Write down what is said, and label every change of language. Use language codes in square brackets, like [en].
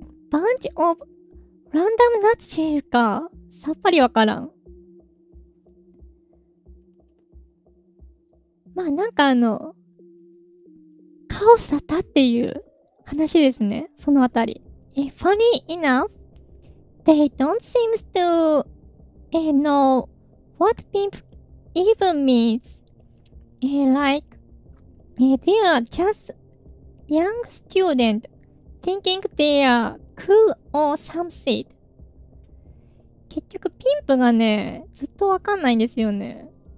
[en] Bunch of random nutshell [ja] か、さっぱりわからん。まあ、なんかカオスだったっていう話ですね、そのあたり。 [en] Funny enough, they don't seem to know what pimpEven means, they are just young student thinking they are cool or something. [ja] 結局ピンプがね、ずっとわかんないんですよね。